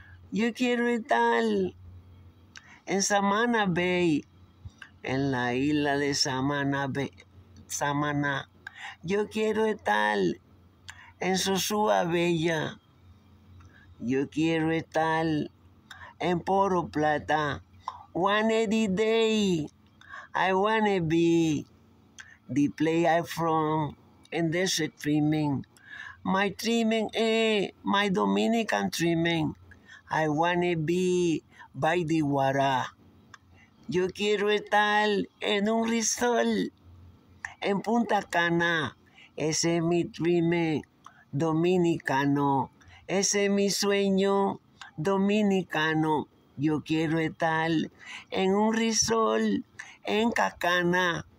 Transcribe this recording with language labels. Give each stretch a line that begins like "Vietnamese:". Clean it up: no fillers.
Spanish: Yo quiero estar en Samana Bay, en la isla de Samana Bay, Samana. Yo quiero estar en Sosúa Bella. Yo quiero estar en Poro Plata.
English: One day, I wanna be the place I'm from in this dreaming. My dreaming is my Dominican dreaming. I wanna be by the water.
Spanish: Yo quiero estar en un resort en Punta Cana. Ese es mi dream dominicano. Ese es mi sueño dominicano. Yo quiero estar en un resort en Cacana.